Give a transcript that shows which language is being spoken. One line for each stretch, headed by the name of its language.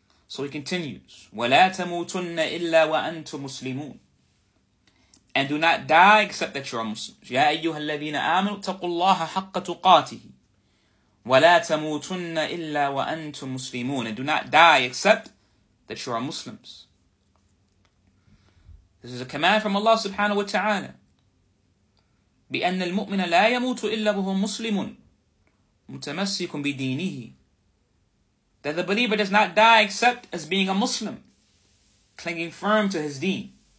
English: So he continues,
Arabic: وَلَا تَمُوتُنَّ إِلَّا وَأَنْتُمْ مُسْلِمُونَ.
English: And do not die except that you are Muslims.
Arabic: يَا أَيُّهَا الَّذِينَ آمَنُوا اتَّقُوا اللَّهَ حَقَّ تُقَاتِهِ وَلَا تَمُوتُنَّ إِلَّا وَأَنْتُمْ مُسْلِمُونَ.
English: And do not die except that you are Muslims. This is a command from Allah subhanahu wa ta'ala.
Arabic: بِأَنَّ الْمُؤْمِنَ لَا يَمُوتُ إِلَّا وَهُمْ مُسْلِمٌ مُتَمَسِّكٌ بِدِينِهِ.
English: That the believer does not die except as being a Muslim, clinging firm to his deen.